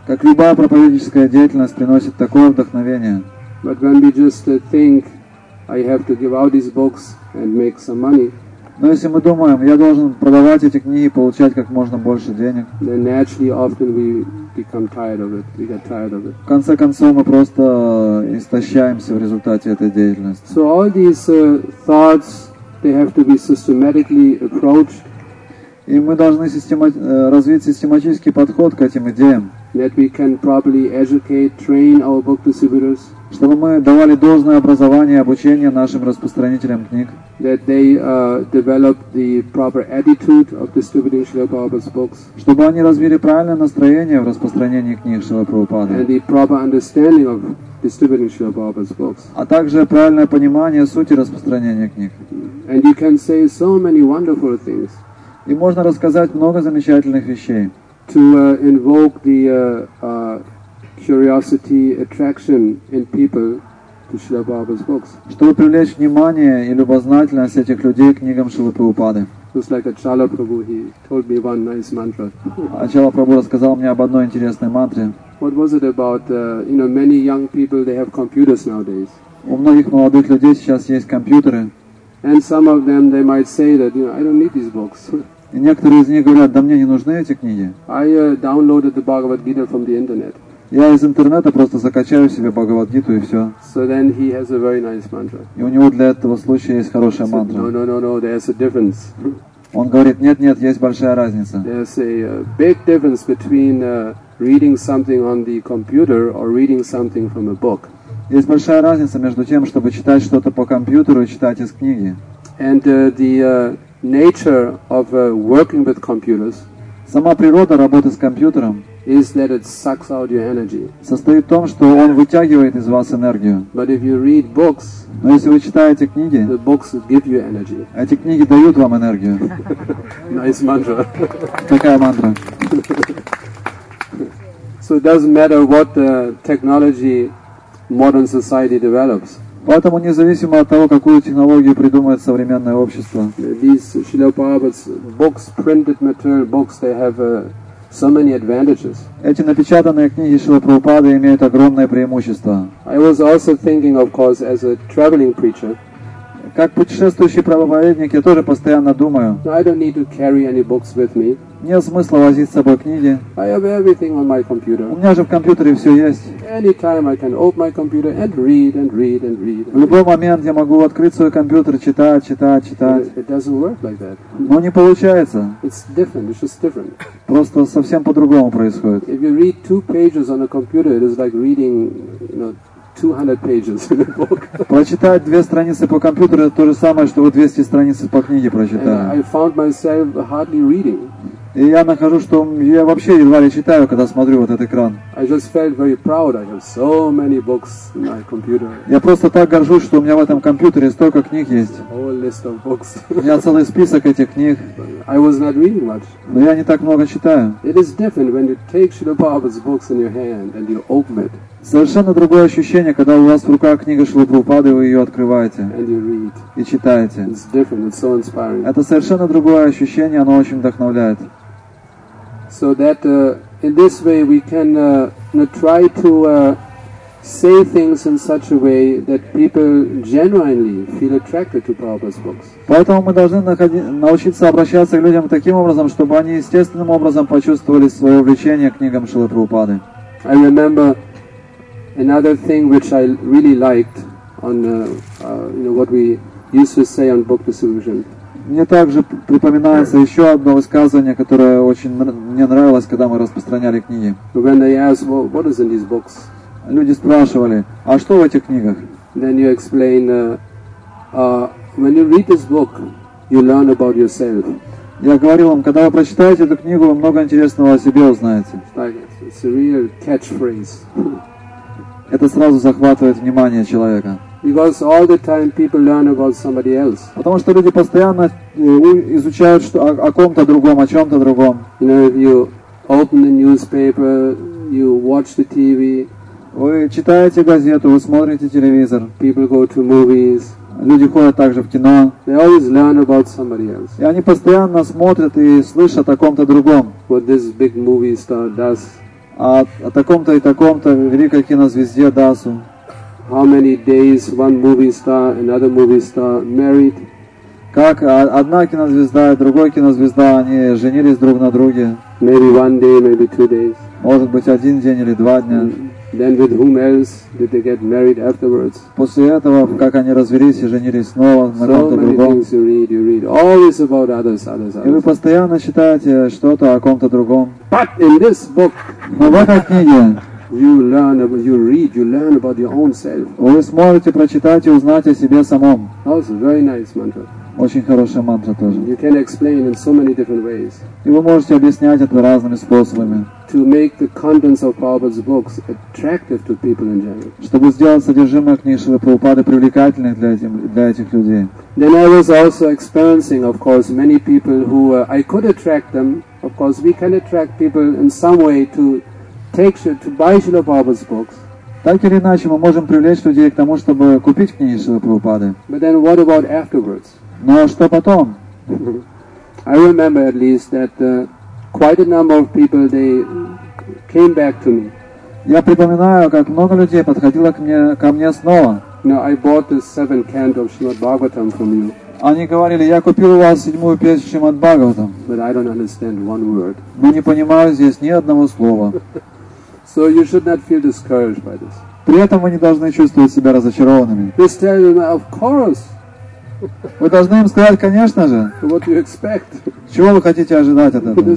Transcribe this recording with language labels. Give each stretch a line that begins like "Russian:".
Russian: Как любая проповедническая деятельность приносит такое вдохновение.
English: But when we just think, I have to give out these books and make some money.
Russian: Но если мы думаем, я должен продавать эти книги и получать как можно больше денег,
English: then naturally often we become tired of it. We get tired of it.
Russian: В конце концов мы просто истощаемся в результате этой деятельности.
English: So all these thoughts, they have to be systematically approached.
Russian: И мы должны развить систематический подход к этим идеям.
English: That we can properly educate, train our book distributors.
Russian: Чтобы мы давали должное образование и обучение нашим распространителям книг.
English: That they develop the proper attitude of distributing Srila Prabhupada's books.
Russian: Чтобы они развили правильное настроение в распространении книг Шрилы Прабхупады.
English: And the proper understanding of distributing Srila Prabhupada's books.
Russian: А также правильное понимание сути распространения книг.
English: And you can say so many wonderful things.
Russian: И можно рассказать много замечательных вещей.
English: To invoke the curiosity, attraction in people to Srila Prabhupada's books.
Russian: Чтобы привлечь внимание и любознательность этих людей к книгам Шрилы Прабхупады.
English: Just like Ачала Прабху, he told me one nice mantra.
Russian: Ачала Прабху рассказал мне об одной интересной мантре.
English: What was it about? You know, many young people, they have computers nowadays.
Russian: У многих молодых людей сейчас есть компьютеры.
English: And some of them, they might say that, you know, I don't need these books.
Russian: И некоторые из них говорят, да мне не нужны эти книги.
English: I downloaded the Bhagavad Gita from the internet.
Russian: Я из интернета просто закачаю себе Бхагавад-гиту и все.
English: So then he has a very nice mantra.
Russian: И у него для этого случая есть хорошая мантра.
English: No, there's a difference.
Russian: Он говорит, нет, есть большая разница.
English: There's a big difference between reading something on the computer or reading something from a book.
Russian: Есть большая разница между тем, чтобы читать что-то по компьютеру и читать из книги.
English: And the nature of working with computers.
Russian: Сама природа работы с компьютером.
English: Is that it sucks out your energy.
Russian: Состоит в том, что он вытягивает из вас энергию.
English: But if you read books,
Russian: но если вы читаете книги,
English: the books give you energy.
Russian: Эти книги дают вам энергию.
English: Nice mantra.
Russian: Такая мантра.
English: So it doesn't matter what technology modern society develops.
Russian: Поэтому независимо от того, какую технологию придумает современное общество.
English: These Srila Prabhupada's books, printed material books, they have so many advantages.
Russian: Эти напечатанные книги Шрилы Прабхупады имеют огромное преимущество.
English: I was also thinking, of course, as a traveling preacher.
Russian: Как путешествующий проповедник, я тоже постоянно думаю.
English: I don't need to carry any books with me.
Russian: Нет смысла возить с собой книги.
English: I have everything on my computer.
Russian: У меня же в компьютере все есть.
English: Anytime I can open my computer and read and read and read.
Russian: В любой момент я могу открыть свой компьютер, читать.
English: It doesn't work like that.
Russian: Но не получается.
English: It's different. It's just different.
Russian: Просто совсем по-другому происходит.
English: If you read two pages on a computer, it is like reading, you know, 200 pages in a book.
Russian: Прочитать две страницы по компьютеру это то же самое, что вы 200 страниц по книге прочитали.
English: I found myself hardly reading.
Russian: И я нахожу, что я вообще едва ли читаю, когда смотрю вот этот экран.
English: I just felt very proud. I have so many books in my computer.
Russian: Я просто так горжусь, что у меня в этом компьютере столько книг есть.
English: Whole list of books.
Russian: У меня целый список этих книг.
English: I was not reading much.
Russian: Но я не так много читаю.
English: It is different when you take Srila Prabhupada's books in your hand and you open it.
Russian: Совершенно другое ощущение, когда у вас в руках книга Шрилы Прабхупады, вы ее открываете и читаете.
English: It's so inspiring.
Russian: Это совершенно другое ощущение, оно очень вдохновляет.
English: So that in this way we can try to say things in such a way that people genuinely feel attracted to Prabhupada's books.
Russian: Поэтому мы должны научиться обращаться к людям таким образом, чтобы они естественным образом почувствовали свое влечение к книгам Шрилы Прабхупады.
English: I remember another thing which I really liked on you know what we used to say on book distribution.
Russian: Мне также припоминается еще одно высказывание, которое очень мне нравилось, когда мы распространяли книги.
English: When they asked, well, what is in these books?
Russian: Люди спрашивали, а что в этих книгах?
English: Then you explain when you read this book, you learn about yourself.
Russian: Я говорил им, когда вы прочитаете эту книгу, вы много интересного о себе узнаете.
English: It's a real catchphrase.
Russian: Это сразу захватывает внимание человека.
English: Because all the time people learn about somebody else.
Russian: Потому что люди постоянно изучают что, о ком-то другом, о чем-то другом.
English: You know, if you open the newspaper, you watch the TV.
Russian: Вы читаете газету, вы смотрите телевизор.
English: People go to movies.
Russian: Люди ходят также в кино.
English: They always learn about somebody else.
Russian: И они постоянно смотрят и слышат о ком-то другом.
English: What this big movie star does.
Russian: О таком-то и таком-то великой кинозвезде Дасу.
English: How many days one movie star, another movie star married?
Russian: Как одна кинозвезда и другой кинозвезда они женились друг на друге?
English: Maybe one day, maybe two days.
Russian: Может быть один день или два дня.
English: And then with whom else did they get married afterwards?
Russian: После этого как они развелись и женились снова на
English: so
Russian: ком-то другом?
English: So many things you read, always about others, others, others.
Russian: И вы постоянно читаете что-то о ком-то другом.
English: But in this book.
Russian: Но в этой книге.
English: You learn about, you read, you learn about your own self.
Russian: Вы сможете прочитать и узнать о себе самом.
English: That was a very nice mantra.
Russian: Очень хорошая мантра тоже.
English: You can explain in so many different ways.
Russian: И вы можете объяснять это разными способами.
English: To make the contents of Prabhupada's books attractive to people in general.
Russian: Чтобы сделать содержимое книг Шрилы Прабхупады привлекательным для этих людей.
English: Then I was also experiencing, of course, many people who I could attract them. Of course, we can attract people in some way to.
Russian: Так или иначе, мы можем привлечь людей к тому, чтобы купить книги Шрилы Прабхупады.
English: But then what about afterwards?
Russian: Но что потом?
English: I remember at least that quite a number of people they came back to me.
Russian: Я припоминаю, как много людей подходило ко мне снова.
English: Now I bought the seventh canto of Srimad Bhagavatam from you.
Russian: Они говорили, я купил у вас седьмую песню Шримад Бхагаватам.
English: But I don't understand one word.
Russian: Но не понимаю здесь ни одного слова.
English: So you should not feel discouraged by this.
Russian: При этом вы не должны чувствовать себя разочарованными.
English: Just tell them, of course.
Russian: Вы должны им сказать, конечно же.
English: What you expect?
Russian: Чего вы хотите ожидать от этого?